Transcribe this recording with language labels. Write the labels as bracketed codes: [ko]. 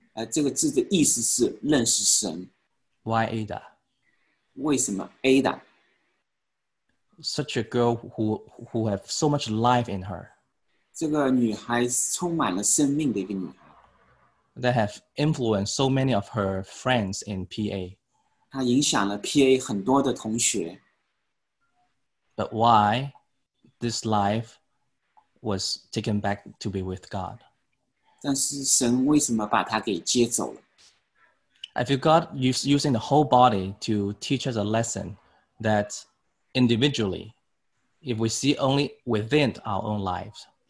[zh] 这个字的意思是认识神。 [en] Why Ada? [zh] 为什么Ada? [en] Such a girl who have so much life in her. [zh] 这个女孩充满了生命的一个女孩。 [en] That have influenced so many of her friends in PA. [zh] 她影响了PA很多的同学。 [en] But why this life was taken back to be with God? [zh] 但是神为什么把它给接走了? [en] I feel God using the whole body to teach us a lesson that individually, if we see only within our own lives,